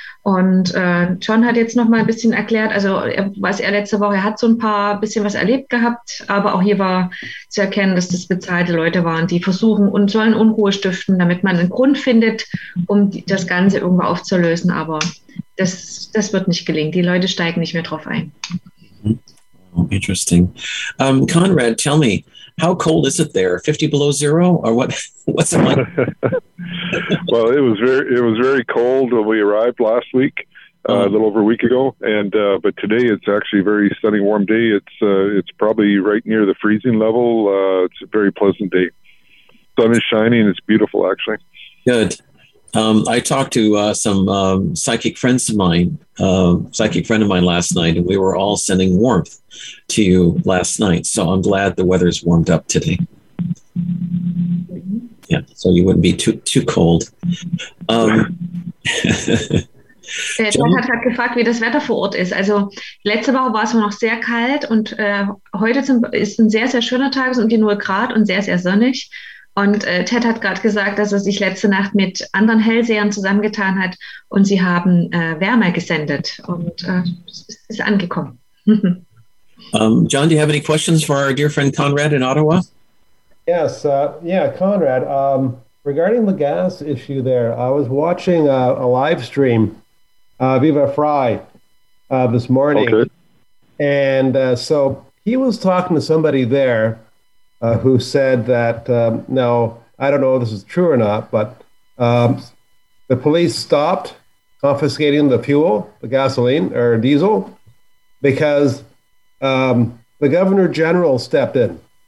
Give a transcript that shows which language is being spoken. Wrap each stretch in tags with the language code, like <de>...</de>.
<de>Und John hat jetzt noch mal ein bisschen erklärt, also er hat so ein bisschen was erlebt gehabt, aber auch hier war zu erkennen, dass das bezahlte Leute waren, die versuchen und sollen Unruhe stiften, damit man einen Grund findet, um das Ganze irgendwo aufzulösen. Aber das wird nicht gelingen. Die Leute steigen nicht mehr drauf ein.</de> <en>Interesting. Conrad, tell me, how cold is it there? 50 below zero or what? What's it like? Well, it was very cold when we arrived last week, a little over a week ago. And but today it's actually a very sunny, warm day. It's probably right near the freezing level. It's a very pleasant day. Sun is shining. It's beautiful, actually. Good. I talked to some psychic friends of mine, last night, and we were all sending warmth to you last night. So I'm glad the weather's warmed up today. Yeah, so you wouldn't be too cold.</en> <de>John hat gerade gefragt, wie das Wetter vor Ort ist. Also letzte Woche war es noch sehr kalt, und heute ist ein sehr, sehr schöner Tag, so um die 0 Grad und sehr, sehr sonnig. Und Ted hat gerade gesagt, dass er sich letzte Nacht mit anderen Hellsehern zusammengetan hat, und sie haben Wärme gesendet, und es ist angekommen.</de> <en>John, do you have any questions for our dear friend Conrad in Ottawa? Yes, Conrad, regarding the gas issue there, I was watching a live stream, Viva Fry, this morning. Okay. And so he was talking to somebody there who said that, now, I don't know if this is true or not, but the police stopped confiscating the fuel, the gasoline or diesel, because the governor general stepped in.</en>